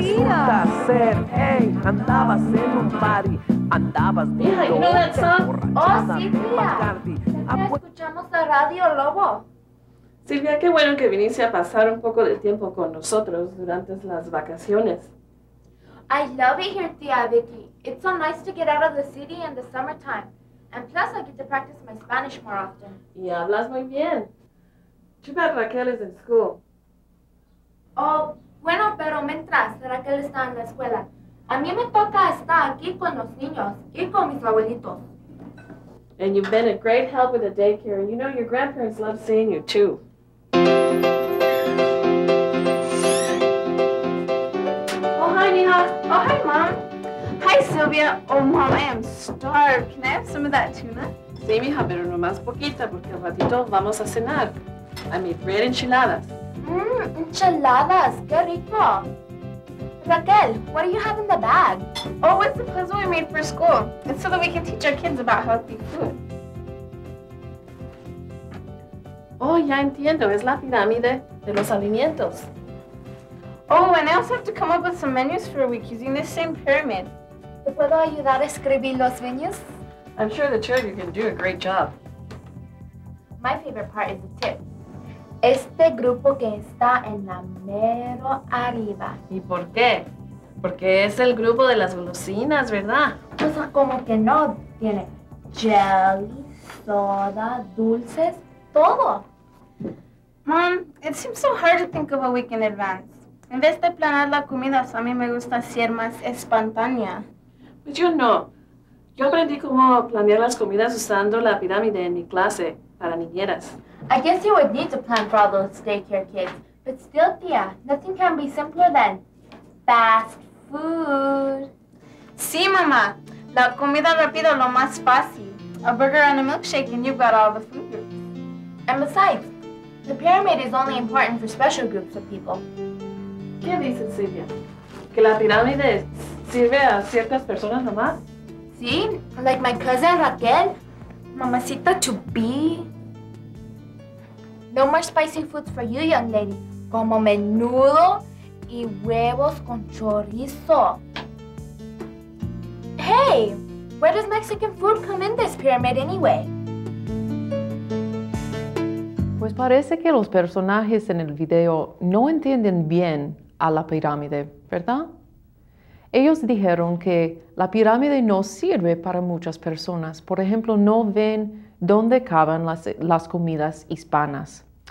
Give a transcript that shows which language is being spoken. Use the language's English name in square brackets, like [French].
[Spanish] Resulta ser, hey, andabas en un party, andabas bien. Mira, [English] you know that song? [Spanish] Oh, sí, tía. Escuchamos la radio, Lobo. Silvia, qué bueno que viniste a pasar un poco de tiempo con nosotros durante las vacaciones. [English] I love it here, tía Vicky. It's so nice to get out of the city in the summertime. And plus, I get to practice my Spanish more often. [Spanish] Y hablas muy bien. [English] Too bad Raquel is in school. [Spanish] Oh, bueno, pero mientras Raquel está en la escuela, a mí me toca estar aquí con los niños y con mis abuelitos. [English] And you've been a great help with the daycare. You know, your grandparents love seeing you, too. Oh, hi, Nina. Oh, hi, Mom. Hi, Sylvia. Oh, Mom, I am starved. Can I have some of that tuna? [Spanish] Sí, mija, pero no más poquita, porque al ratito vamos a cenar. [English] I made red enchiladas. [Spanish] Mmm, enchiladas. Qué rico. [English] Raquel, what do you have in the bag? Oh, it's the puzzle I made for school. It's so that we can teach our kids about healthy food. [Spanish] Oh, ya entiendo. Es la pirámide de los alimentos. [English] Oh, and I also have to come up with some menus for a week using this same pyramid. [Spanish] ¿Te puedo ayudar a escribir los menús? [English] I'm sure the two of you can do a great job. My favorite part is the tip. [Spanish] Este grupo que está en la mero arriba. ¿Y por qué? Porque es el grupo de las golosinas, ¿verdad? Pues como que no. Tiene jelly, soda, dulces, todo. [English] Mom, it seems so hard to think of a week in advance. [Spanish] En vez de planear la comida, a mí me gusta ser más espontánea. Pues yo no. Yo aprendí cómo planear las comidas usando la pirámide en mi clase para niñeras. [English] I guess you would need to plan for all those daycare kids. But still, tía, nothing can be simpler than fast food. [Spanish] Sí, mamá. La comida rápida es lo más fácil. [English] A burger and a milkshake and you've got all the food groups. And besides, the pyramid is only important for special groups of people. [Spanish] ¿Qué dices, Silvia? ¿Que la pirámide sirve a ciertas personas nomás? [English] Sí, like my cousin Raquel, mamacita to be. No more spicy foods for you, young lady. [Spanish] Como menudo y huevos con chorizo. [English] Hey, where does Mexican food come in this pyramid anyway? [Spanish] Pues parece que los personajes en el video no entienden bien a la pirámide, ¿verdad? Ellos dijeron que la pirámide no sirve para muchas personas. Por ejemplo, no ven dónde caben las comidas hispanas.